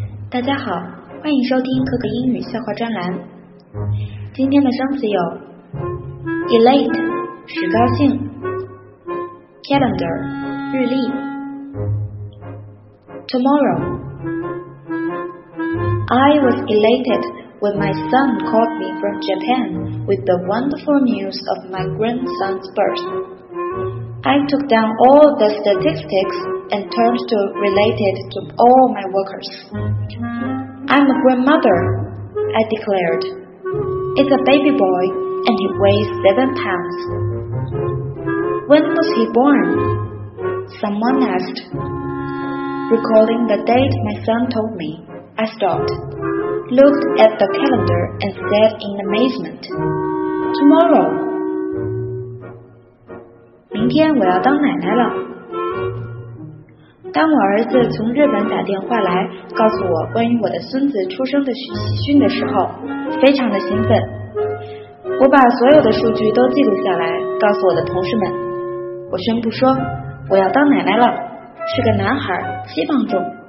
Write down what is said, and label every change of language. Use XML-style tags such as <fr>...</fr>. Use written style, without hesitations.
<zh>大家好，欢迎收听可可英语笑话专栏。今天的生词有 Elate 是高兴， Calendar 日历，</zh> <en>Tomorrow I was elated when my son called me from Japan with the wonderful news of my grandson's birth. I took down all the statistics and turned to related to all my workers. I'm a grandmother, I declared. It's a baby boy and he weighs 7 pounds. When was he born? Someone asked. Recalling the date my son told me, I stopped, looked at the calendar and said in amazement, Tomorrow.</en> <zh>明天我要当奶奶了。当我儿子从日本打电话来告诉我关于我的孙子出生的喜讯的时候，非常的兴奋。我把所有的数据都记录下来告诉我的同事们，我宣布说我要当奶奶了，是个男孩，7磅重。</zh>